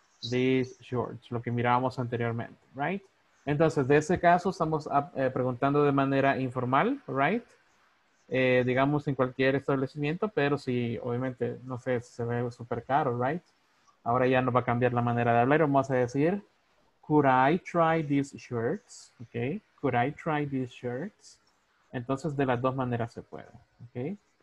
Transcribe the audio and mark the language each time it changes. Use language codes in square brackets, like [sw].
[en] These shorts, [es] lo que mirábamos anteriormente. Right? Entonces, de ese caso, estamos preguntando de manera informal. Right? Digamos, en cualquier establecimiento, pero si, obviamente, no sé, se ve súper caro. Right? Ahora ya nos va a cambiar la manera de hablar. Vamos a decir, [en] could I try these shirts? Okay? Could I try these shirts? [es] Entonces, de las dos maneras se puede, ¿ok?